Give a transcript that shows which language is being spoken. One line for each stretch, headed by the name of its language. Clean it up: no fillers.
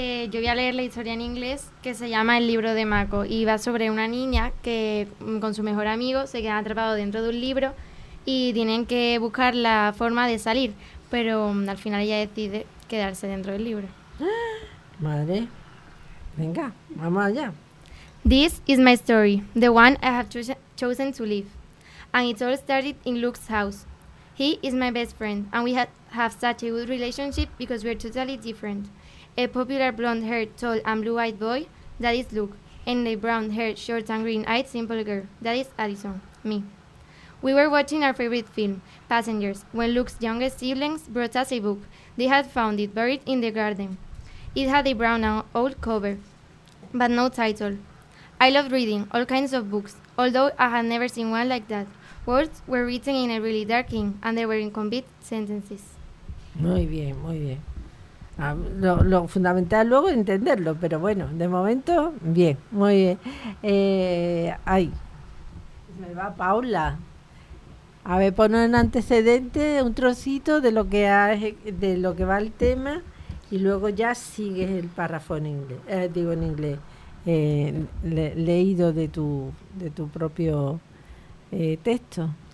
Spanish: Yo voy a leer la historia en inglés que se llama El libro de Mako y va sobre una niña que con su mejor amigo se queda atrapado dentro de un libro y tienen que buscar la forma de salir, pero al final ella decide quedarse dentro del libro. Madre, venga, vamos allá.
English: This is my story, the one I have chosen to live. And it all started in Luke's house. He is my best friend and we have such a good relationship because we are totally different. A popular blonde-haired, tall and blue-eyed boy, that is Luke. And a brown-haired, short and green-eyed, simple girl, that is Allison, me. We were watching our favorite film, Passengers, when Luke's youngest siblings brought us a book. They had found it buried in the garden. It had a brown and old cover, but no title. I loved reading all kinds of books, although I had never seen one like that. Words were written in a really dark ink, and they were incomplete sentences.
Spanish: Muy bien, muy bien. Lo fundamental luego es entenderlo, pero bueno, de momento, bien, muy bien. Ahí, me va Paula. A ver, ponos en antecedente un trocito de lo que va el tema y luego ya sigues el párrafo en inglés, leído de tu propio texto.